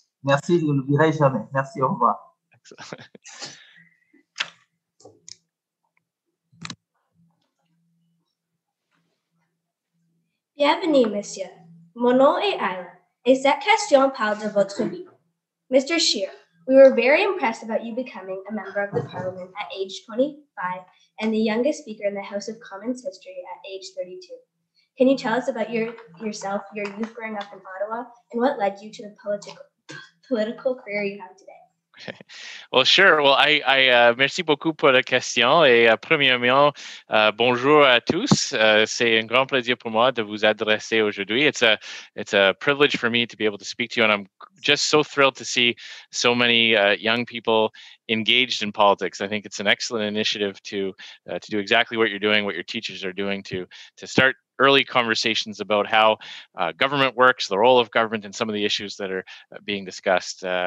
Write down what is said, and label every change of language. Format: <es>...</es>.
<fr>Merci, je ne l'oublierai jamais. Merci, au revoir. Bienvenue, monsieur. Mon nom est Ayla, et cette question parle de votre vie.</fr> <en>Mr. Scheer, we were very impressed about you becoming a member of the parliament at age 25 and the youngest speaker in the House of Commons history at age 32. Can you tell us about yourself, your youth growing up in Ottawa, and what led you to the political career you have today? Well, sure. Well, I</en> <fr>merci beaucoup pour la question. Et premièrement, bonjour à tous. C'est un grand plaisir pour moi de vous adresser aujourd'hui.</fr> <en>It's a privilege for me to be able to speak to you, and I'm just so thrilled to see so many young people engaged in politics. I think it's an excellent initiative to do exactly what you're doing, what your teachers are doing, to start early conversations about how government works, the role of government, and some of the issues that are being discussed.</en>